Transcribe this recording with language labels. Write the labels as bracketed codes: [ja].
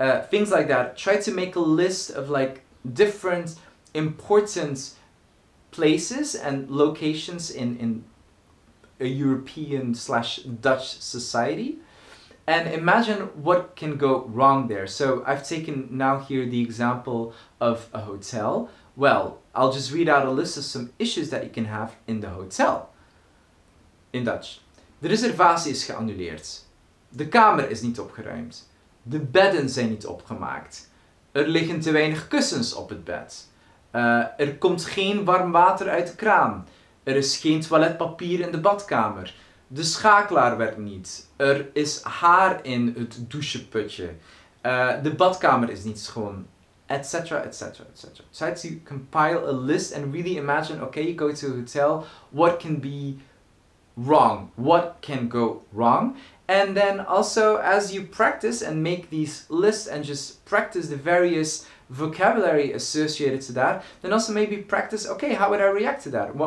[en] Things like that. Try to make a list of like different important places and locations in a European / Dutch society. And imagine what can go wrong there. So I've taken now here the example of a hotel. Well, I'll just read out a list of some issues that you can have in the hotel. In Dutch. [nl] De reservatie is geannuleerd. De kamer is niet opgeruimd. De bedden zijn niet opgemaakt. Er liggen te weinig kussens op het bed. Er komt geen warm water uit de kraan. Er is geen toiletpapier in de badkamer. De schakelaar werkt niet. Er is haar in het doucheputje. De badkamer is niet schoon. [en] Etc, etc, etc. Try to compile a list and really imagine, okay, you go to a hotel, what can be wrong? What can go wrong? And then also, as you practice and make these lists and just practice the various vocabulary associated to that, then also maybe practice, okay, how would I react to that?